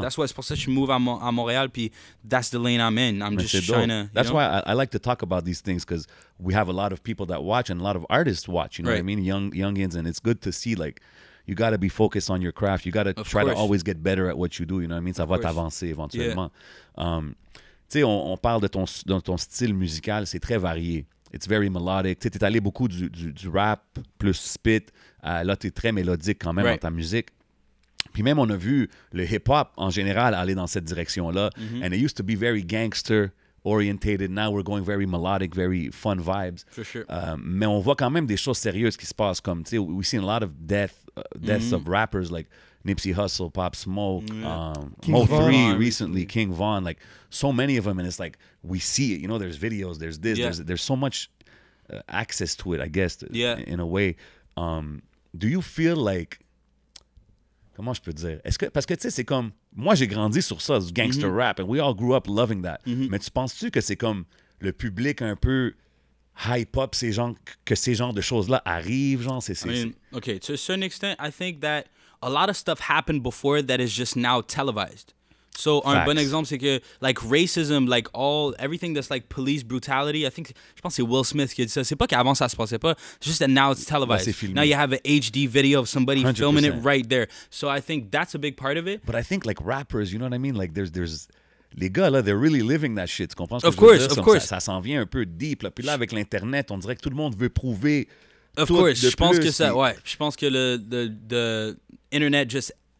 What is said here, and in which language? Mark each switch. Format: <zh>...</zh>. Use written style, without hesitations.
<en>That's why it's</en> <fr>pour ça que je move à Montréal, puis</fr> <en>that's the lane I'm in. I'm just trying to... That's why I like to talk about these things, because we have a lot of people that watch and a lot of artists watch, you know what I mean? Youngins, and it's good to see, like, you got to be focused on your craft. You got to try to always get better at what you do, you know what I mean?</en> <fr>Ça va t'avancer éventuellement.</fr> <en>Yeah.</en> <fr>Tu sais, on parle de ton style musical, c'est très varié.</fr> <en>It's very melodic.</en> <fr>Tu sais, t'es allé beaucoup du rap plus spit. Là, t'es très mélodique quand même dans ta musique. Puis même, on a vu le hip-hop en général aller dans cette direction-là. Mm-hmm.</fr> <en>And it used to be very gangster-orientated. Now we're going very melodic, very fun vibes. For sure.</en> <fr>Mais on voit quand même des choses sérieuses qui se passent.</fr> <en>Comme, tu sais, we've seen a lot of deaths of rappers like... Nipsey Hussle, Pop Smoke, Mo 3 recently, King Von, like so many of them, and it's like we see it, you know, there's videos, there's this, there's so much access to it, I guess, in a way.</en> <fr>Do you feel like, comment je peux dire, parce que tu sais, c'est comme, moi j'ai grandi sur ça, ce gangster rap,</fr> <en>and we all grew up loving that,</en> <fr>mais tu penses-tu que c'est comme le public un peu hype up ces gens, que ces genres de choses-là arrivent, genre,</fr> <en>okay, to a certain extent, I think that a lot of stuff happened before that is just now televised.</en> <fr>So, un bon exemple, c'est que,</fr> <en>like, racism, like, everything that's, like, police brutality, I think,</en> <fr>je pense que c'est Will Smith qui a dit ça. C'est pas qu'avant ça se passait pas,</fr> <en>it's just that now it's televised.</en> <fr>Là, c'est filmé.</fr> <en>Now you have an HD video of somebody 100%. Filming it right there. So, I think that's a big part of it. But I think, like, rappers, you know what I mean? Like, there's les gars, là, they're really living that shit.</en> <fr>Tu comprends ce que je veux dire?</fr> <en>Of course,</en> <fr>ça s'en vient un peu deep, là. Puis là, avec l'Internet, on dirait que tout le monde veut prouver... Of course, je pense que ça, ouais. Je pense que le Internet just</fr>